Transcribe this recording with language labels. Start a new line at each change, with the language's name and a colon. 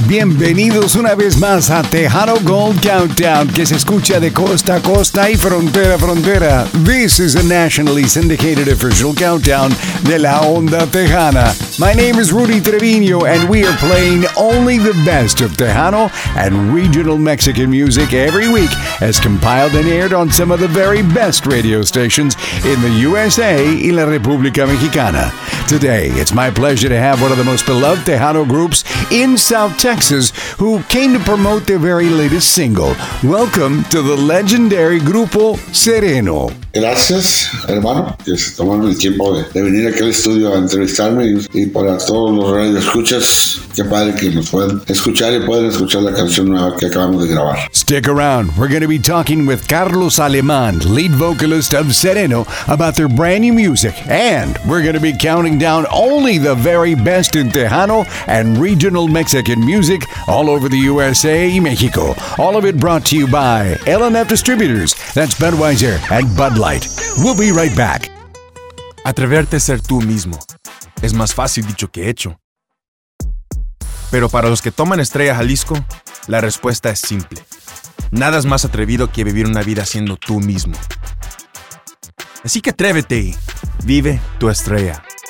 Spanish: Bienvenidos una vez más a Tejano Gold Countdown, que se escucha de costa a costa y frontera a frontera.
English: This is a nationally syndicated official countdown
Spanish: de la Onda Tejana.
English: My name is Rudy Treviño, and we are playing only the best of Tejano and regional Mexican music every week, as compiled and aired on some of the very best radio stations in the USA
Spanish: y la República Mexicana.
English: Today, it's my pleasure to have one of the most beloved Tejano groups in South Texas, who came to promote their very latest single. Welcome to the legendary Grupo Sereno.
Spanish: Gracias, hermano, que se tomaron el tiempo de venir aquí al estudio a entrevistarme. Y para todos los radioescuchas, qué padre que nos puedan escuchar y puedan escuchar la canción nueva que acabamos de grabar.
English: Stick around. We're going to be talking with Carlos Alemán, lead vocalist of Sereno, about their brand new music. And we're going to be counting down only the very best in Tejano and regional Mexican music all over the USA and Mexico. All of it brought to you by L&F Distributors. That's Budweiser and Bud Light. We'll be right back.
Spanish: Atreverte a ser tú mismo es más fácil dicho que hecho. Pero para los que toman Estrella Jalisco, la respuesta es simple. Nada es más atrevido que vivir una vida siendo tú mismo. Así que atrévete y vive tu estrella.